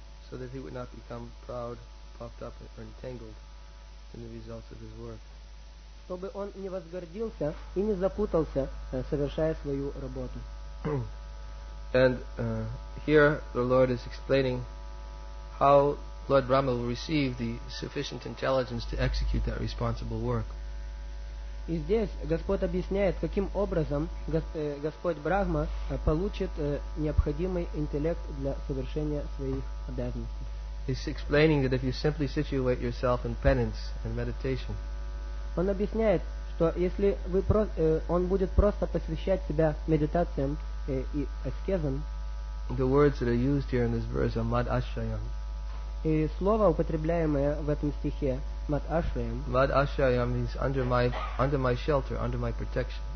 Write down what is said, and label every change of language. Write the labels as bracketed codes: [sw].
[en] So that he would not become proud, puffed up, or entangled in the results of his work. [ru] Чтобы он не возгордился и не запутался, совершая свою работу. [en] And here the Lord is explaining how Lord Brahma will receive the sufficient intelligence to execute that responsible work. [ru] И здесь Господь объясняет, каким образом Господь Брахма получит необходимый интеллект для совершения своих обязанностей. [en] He's explaining that if you simply situate yourself in penance and meditation. [ru] Он объясняет, что если вы он будет просто посвящать себя медитациям и аскезам. [en] The words that are used here in this verse are mad ashrayam. [ru] И слово, употребляемое в этом стихе, mad ashrayam. [en] Mad ashrayam means under my shelter, under my protection.